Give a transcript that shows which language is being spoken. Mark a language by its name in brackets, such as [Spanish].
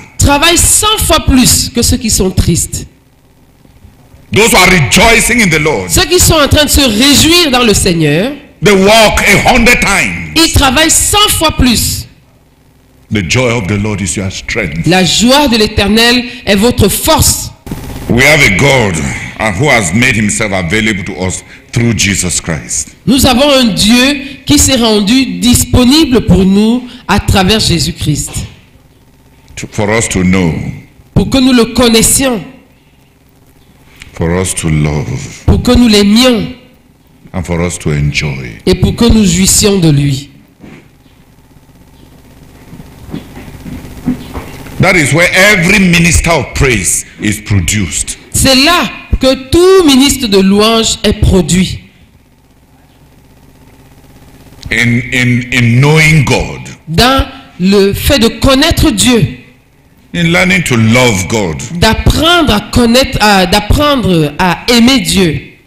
[French] Travaillent 100 fois plus que ceux qui sont tristes. [English] Those who are rejoicing in the Lord, [French] ceux qui sont en train de se réjouir dans le Seigneur, [English] they walk 100 times. [French] Ils travaillent 100 fois plus. [English] The joy of the Lord is your strength. [French] La joie de l'Éternel est votre force. [English] We have a God. And who has made himself available to us through Jesus Christ. [French] Nous avons un Dieu qui s'est rendu disponible pour nous à travers Jésus-Christ. [English] For us to know. [French] Pour que nous le connaissions. [English] For us to love. [French] Pour que nous l'aimions. [English] And for us to enjoy. [French] Et pour que nous jouissions de lui. [English] That is where every minister of praise is produced. [French] C'est là que tout ministre de louange est produit. [English] In knowing God. [French] Dans le fait de connaître Dieu. [English] In learning to love God. [French] D'apprendre à connaître, d'apprendre à aimer Dieu.